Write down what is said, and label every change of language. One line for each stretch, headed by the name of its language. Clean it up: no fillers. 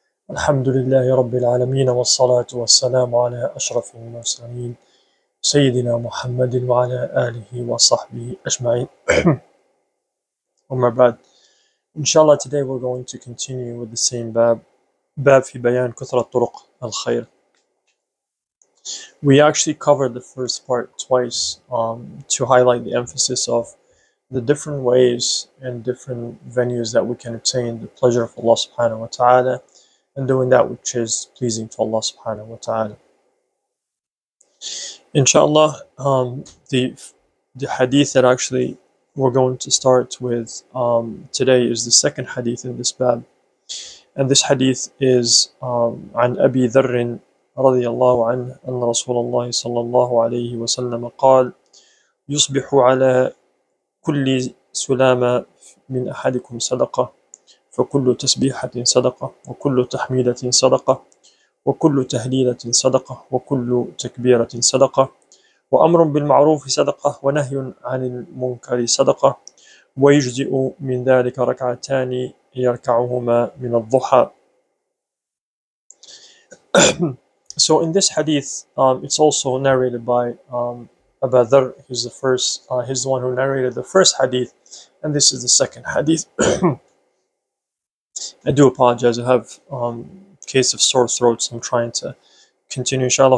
Arabic: الحمد لله رب العالمين، والصلاة والسلام على أشرف المرسلين سيدنا محمد وعلى آله وصحبه أجمعين. أما بعد، إن شاء الله
English: today we're going to continue with the same
Arabic: باب في بيان كثرة طرق الخير.
English: We actually covered the first part twice to highlight the emphasis of the different ways and different venues that we can obtain the pleasure of Allah subhanahu wa ta'ala and doing that which is pleasing to Allah subhanahu wa ta'ala. Inshallah, the hadith that actually we're going to start with today is the second hadith in this bab. And this hadith is
Arabic: عن أبي ذر رضي الله عنه أن رسول الله صلى الله عليه وسلم قال يصبح على كل سلامة من أحدكم صدقة فكل تسبيحة صدقة وكل تحميدة صدقة وكل تهليلة صدقة وكل تكبيرة صدقة وأمر بالمعروف صدقة ونهي عن المنكر صدقة ويجزئ من ذلك ركعتان يركعهما من الضحى.
English: So in this hadith, it's also narrated by Abu Dharr. He's the first, he's the one who narrated the first hadith, and this is the second hadith. I do apologize, I have a case of sore throat, so I'm trying to continue, inshallah.